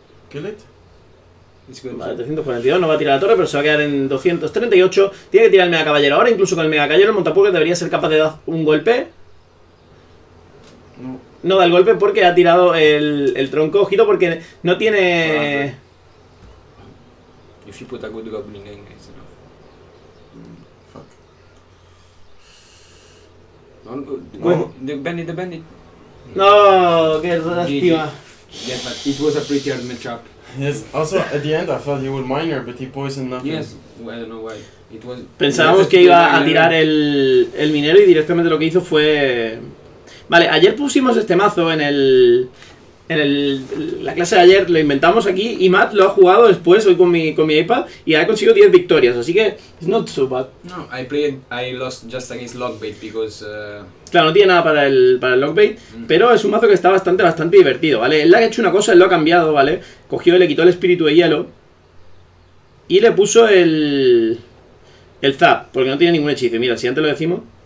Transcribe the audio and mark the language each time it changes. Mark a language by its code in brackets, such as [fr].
[en] ¿Kill it? [es] Vale, 342, no va a tirar la torre, pero se va a quedar en 238. Tiene que tirar el mega caballero ahora, incluso con el mega caballero, el montapuercos debería ser capaz de dar un golpe. No, no da el golpe porque ha tirado el tronco. Ojito, porque no tiene. [en] If you put a good goblin in, it's enough. Fuck. No, good. Bend it, bend it. [es] No, qué lástima. [en] Yeah, but it was a pretty hard matchup. Yes, also at the end I thought he would miner, but he poisoned nothing. Yes, well, I don't know why. It was [es] pensábamos que iba a tirar el minero y directamente lo que hizo fue... Vale, ayer pusimos este mazo en la clase de ayer, lo inventamos aquí, y Matt lo ha jugado después, hoy con mi iPad, y ha conseguido 10 victorias, así que... [en] It's not so bad. No, I played, I lost just against Lockbait, because... [es] Claro, no tiene nada para el Lockbait, pero es un mazo que está bastante, bastante divertido, ¿vale? Él ha hecho una cosa, él lo ha cambiado, ¿vale? Cogió y le quitó el espíritu de hielo, y le puso el Zap, porque no tiene ningún hechizo. Mira, si antes lo decimos...